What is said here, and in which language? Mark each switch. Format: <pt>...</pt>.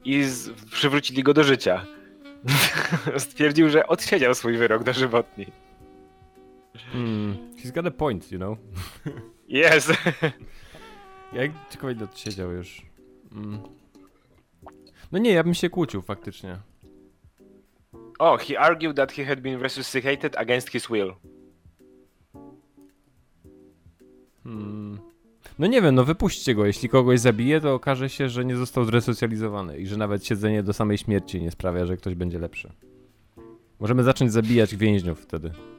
<pl>I przywrócili go do życia. Stwierdził, że odsiedział swój wyrok dożywotni.</pl> <en>He's got a point, you know? Yes.</en> <pl>Jak ci powiedzieć, odsiedział już. No nie, ja bym się kłócił faktycznie.</pl> <en>Oh, he argued that he had been resuscitated against his will.</en> <pl>No nie wiem, no wypuśćcie go. Jeśli kogoś zabije, to okaże się, że nie został zresocjalizowany i że nawet siedzenie do samej śmierci nie sprawia, że ktoś będzie lepszy. Możemy zacząć zabijać więźniów wtedy.</pl>